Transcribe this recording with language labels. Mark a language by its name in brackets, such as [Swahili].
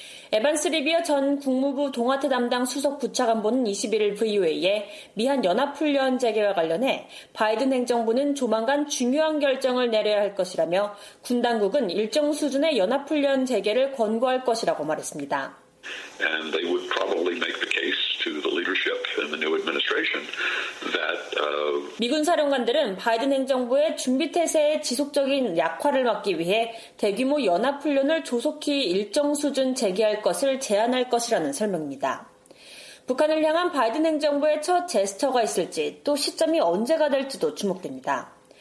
[Korean] 에반스 리비어 전 국무부 동아태 담당 수석 부차관보는 21일 VOA에 미한연합훈련 재개와 관련해 바이든 행정부는 조만간 중요한 결정을 내려야 할 것이라며 군 당국은 일정 수준의 연합훈련 재개를 권고할 것이라고 말했습니다. [English] And they would probably make the case to the leadership in the new administration that [Korean] 미군 사령관들은 바이든 행정부의 준비 태세의 지속적인 약화를 막기 위해 대규모 연합 훈련을 조속히 일정 수준 재개할 것을 제안할 것이라는 설명입니다. 북한을 향한 바이든 행정부의 첫 제스처가 있을지 또 시점이 언제가 될지도 주목됩니다.